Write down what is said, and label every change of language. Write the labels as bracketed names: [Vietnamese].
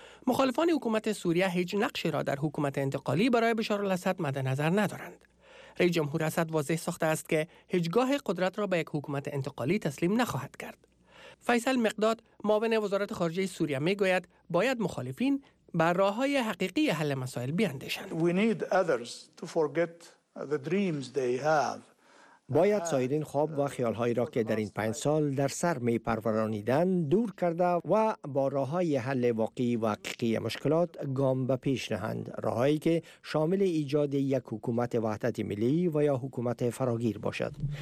[Persian] مخالفان حکومت سوریه هیچ نقشی را در حکومت انتقالی برای بشار الاسد مد نظر ندارند. رئیس جمهور اسد واضح ساخته است که هیچگاه قدرت را به یک حکومت انتقالی تسلیم نخواهد کرد. فیصل مقداد، معاون وزارت خارجه سوریه، می گوید باید مخالفین بر راه های حقیقی حل مسائل بیندشند. [English] We need others to forget the dreams they have [Persian] باید سایرین خواب و خیالهایی را که در این 5 سال در سر می پرورانیدن دور کرده و با راه های حل واقعی و حقیقی مشکلات گام به پیش نهند. راه هایی که شامل ایجاد یک حکومت وحدت ملی و یا حکومت فراگیر باشد.